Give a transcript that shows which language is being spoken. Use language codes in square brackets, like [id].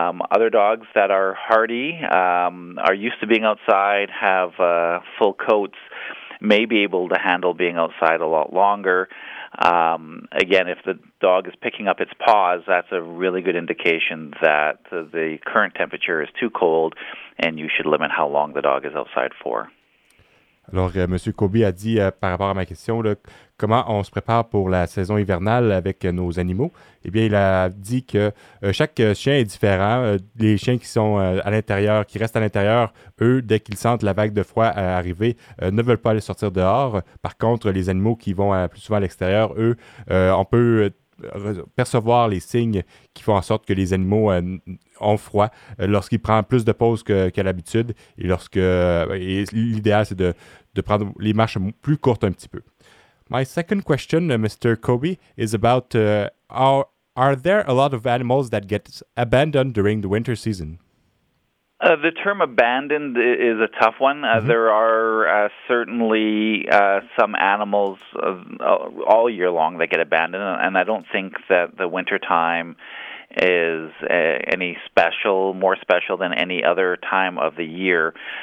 [en] Other dogs that are hardy, are used to being outside, have full coats, may be able to handle being outside a lot longer. Again, if the dog is picking up its paws, that's a really good indication that the current temperature is too cold and you should limit how long the dog is outside for. [fr] Alors, M. Kobe a dit, par rapport à ma question, là, comment on se prépare pour la saison hivernale avec nos animaux? Eh bien, il a dit que chaque chien est différent. Les chiens qui sont à l'intérieur, qui restent à l'intérieur, eux, dès qu'ils sentent la vague de froid arriver, ne veulent pas aller sortir dehors. Par contre, les animaux qui vont plus souvent à l'extérieur, eux, on peut percevoir les signes qui font en sorte que les animaux ont froid lorsqu'ils prennent plus de pauses qu'à l'habitude et lorsque l'idéal c'est de prendre les marches plus courtes un petit peu. [en] My second question, Mr. Kobe, is about are there a lot of animals that get abandoned during the winter season? The term abandoned is a tough one. There are certainly some animals all year long that get abandoned, and I don't think that the winter time is any special, more special than any other time of the year.